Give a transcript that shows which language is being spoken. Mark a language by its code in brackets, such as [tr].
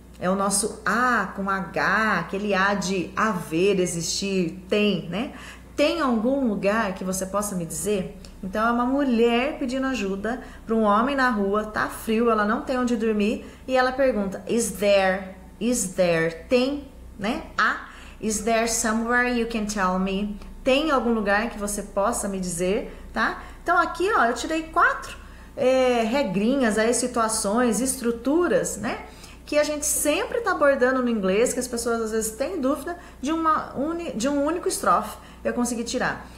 [pt] É o nosso A com H, aquele A de haver, existir, tem, né? Tem algum lugar que você possa me dizer? Então é uma mulher pedindo ajuda para um homem na rua, tá frio, ela não tem onde dormir, e ela pergunta: [en] is there, [pt] tem, né? [en] A, is there somewhere you can tell me? [pt] Tem algum lugar que você possa me dizer, tá? Então aqui, ó, eu tirei quatro regrinhas aí, situações, estruturas, né? Que a gente sempre está abordando no inglês, que as pessoas às vezes têm dúvida, de um único estrofe eu consegui tirar.